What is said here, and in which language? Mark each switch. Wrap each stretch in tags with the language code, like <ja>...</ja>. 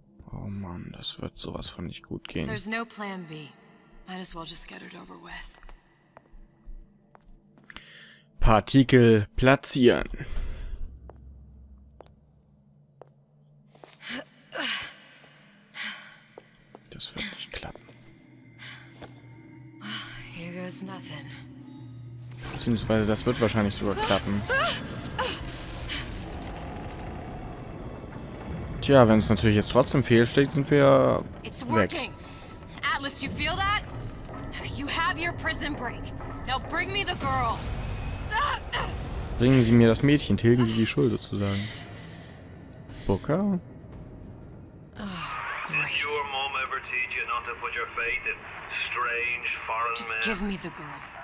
<de>Oh Mann, das wird sowas von nicht gut gehen.</de> <en>There's no plan B. Might as well just get it over with.</en> <de>Partikel platzieren. Das wird nicht klappen.</de> <en>Here goes nothing.</en> <de>Beziehungsweise, das wird wahrscheinlich sogar klappen. Ja, wenn es natürlich jetzt trotzdem fehlschlägt, sind wir weg.</de> <en>Atlas, you feel that? You have your prison break. Now bring me the girl.</en> <de>Bringen Sie mir das Mädchen, tilgen Sie die Schuld sozusagen.</de> <en>Booker? Oh, great. Your mom ever teach you not to put your faith in strange foreign men? Just give me the girl.</en>